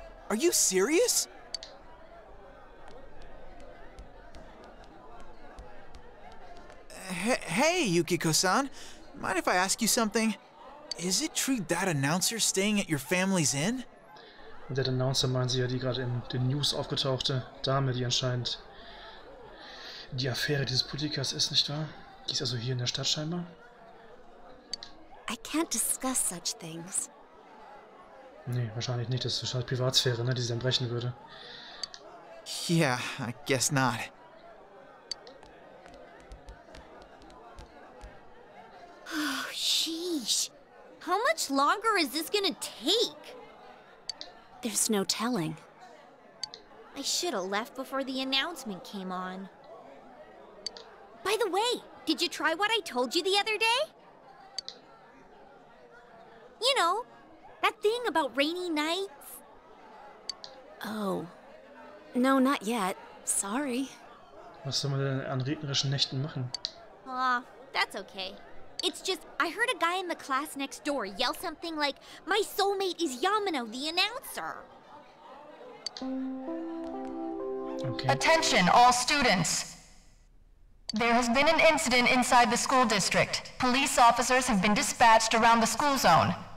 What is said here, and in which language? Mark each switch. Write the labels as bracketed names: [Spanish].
[English] Are you serious? Hey, Yukiko-san. Mind if I ask you something? Is it true that announcer's staying at your family's inn? [German] Und der Announcer meinen Sie ja, die gerade in den News aufgetauchte Dame, die anscheinend die Affäre dieses Politikers ist, nicht wahr? Die ist also hier in der Stadt scheinbar. [English] I can't discuss such things. [German] Nee, wahrscheinlich nicht. Das ist wahrscheinlich Privatsphäre, ne, die sie dann brechen würde. [English] Yeah, I guess not. Oh, sheesh. How much longer is this gonna take? There's no telling. I should have left before the announcement came on. By the way, did you try what I told you the other day? You know, that thing about rainy nights? Oh. No, not yet. Sorry. [German] Was soll man denn an regnerischen Nächten machen? [English] Aw, that's okay. It's just, I heard a guy in the class next door yell something like, "My soulmate is Yamano, the announcer." Okay. Attention, all students. There has been an incident inside the school district. Police officers have been dispatched around the school zone.